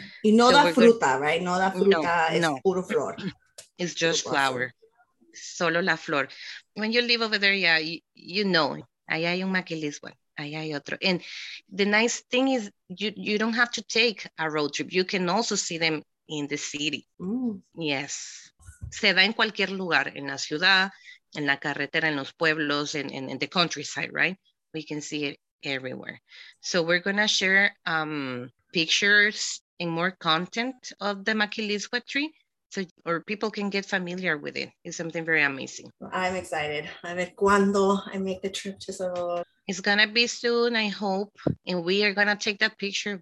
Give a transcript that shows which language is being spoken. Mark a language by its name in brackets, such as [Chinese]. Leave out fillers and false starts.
[Spanish] Y no so da fruta, right? No da fruta, no, es no. puro flor. [English] It's just flower. Solo la flor. When you live over there, yeah, you know, ahí hay un Maquilishuat, ahí hay otro. And the nice thing is you don't have to take a road trip. You can also see them in the city. Ooh. Yes. [Spanish] Se da en cualquier lugar, en la ciudad, en la carretera, en los pueblos, in the countryside, right? [English] We can see it everywhere. So we're going to share pictures and more content of the Maquilishuat tree. So, or people can get familiar with it. It's something very amazing. I'm excited. A ver cuando I make the trip to Salvador. It's going to be soon, I hope. And we are going to take that picture.